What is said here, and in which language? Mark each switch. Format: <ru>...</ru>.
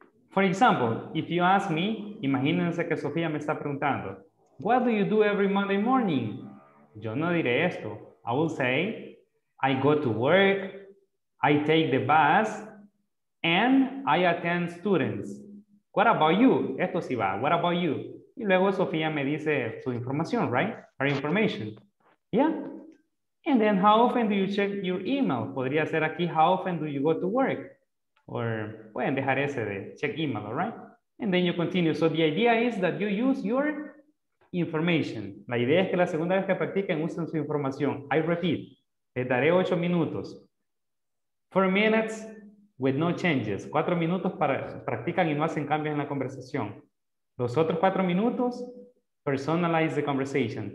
<en>For example, if you ask me,</en> <es>imagínense que Sofía me está preguntando,</es> <en>what do you do every Monday morning?</en> <es>Yo no diré esto.</es> <en>I will say, I go to work, I take the bus, and I attend students. What about you?</en> <es>Esto sí va,</es> <en>what about you?</en> <es>Y luego Sofía me dice su información, right?</es> <en>Her information. Yeah. And then how often do you check your email?</en> <es>Podría ser aquí,</es> <en>how often do you go to work? Or</en> <es>pueden dejar ese de</es> <en>check email, all right? And then you continue. So the idea is that you use your information.</en> <es>La idea es que la segunda vez que practiquen usen su información.</es> <en>I repeat.</en> <es>Les daré 8 minutos.</es> <en>4 minutes with no changes.</en> <es>4 minutos para practican y no hacen cambios en la conversación. Los otros 4 minutos,</es> <en>personalize the conversation.</en>